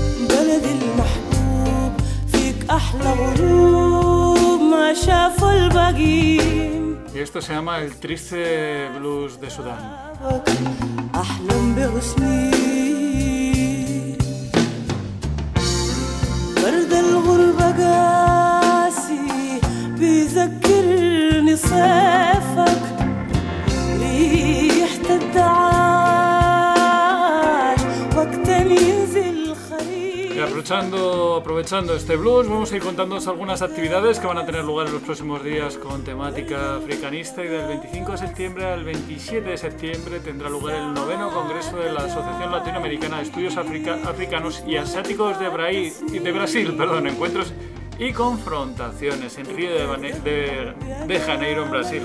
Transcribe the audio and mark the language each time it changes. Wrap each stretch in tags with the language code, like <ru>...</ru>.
<ar>بلد المحبوب فيك احلى غروب ما شاف الباقي.</ar> <es>Y esto se llama el triste blues de Sudán.</es> <ar>احلم بغصني برد الغربة قاسي بيذكرني صيفك ريحة الدعاش وقت ينزل خريف.</ar> <es>aprovechando este blues, vamos a ir contándoos algunas actividades que van a tener lugar en los próximos días con temática africanista. Y del 25 de septiembre al 27 de septiembre tendrá lugar el noveno congreso de la Asociación Latinoamericana de Estudios Africanos y Asiáticos de Brasil, encuentros y confrontaciones en Río de Janeiro, en Brasil.</es>